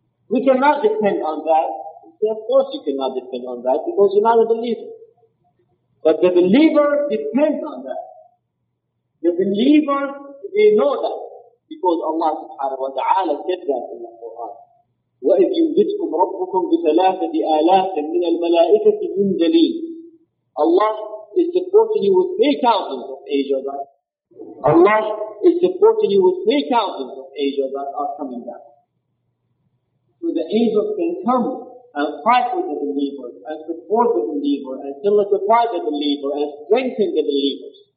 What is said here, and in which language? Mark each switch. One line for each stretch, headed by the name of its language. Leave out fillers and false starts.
English: We cannot depend on that. Of course you cannot depend on that because you're not a believer. But the believer depends on that. The believer, they know that. Because Allah subhanahu wa ta'ala said that in the Quran.
Arabic: وَإِذْ يُمْدِدْكُمْ رَبُّكُمْ بِثَلَاثَةِ آلَافٍ مِنَ الْمَلَائِكَةِ مُنْزَلِينَ
English: Allah is supporting you with 3,000 of angels. Allah is supporting you with 3,000 of angels that are coming down. So the angels can come and fight with the believers, and support the believer, and solidify the believer, and strengthen the believers.